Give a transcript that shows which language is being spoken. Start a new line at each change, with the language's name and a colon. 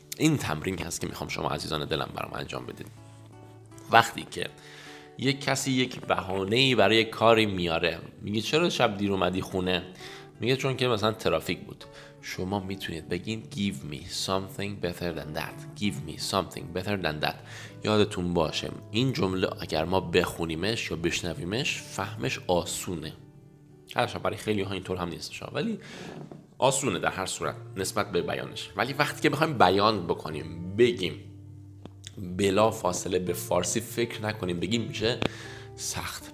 Persian: این تمرینی هست که میخوام شما عزیزان دلم برام انجام بدید. وقتی که یک کسی یک بهانه‌ای برای کاری میاره، میگه چرا شب دیر اومدی خونه؟ میگه چون که مثلا ترافیک بود. شما میتونید بگین
English: give me something better than that. Give me something better than that.
Persian: یادتون باشه این جمله اگر ما بخونیمش یا بشنویمش فهمش آسونه. هرچند برای خیلی ها اینطور هم نیستش، ولی آسونه در هر صورت نسبت به بیانش. ولی وقتی که بخوایم بیان بکنیم، بگیم بلا فاصله به فارسی فکر نکنیم، بگیم میشه سخت.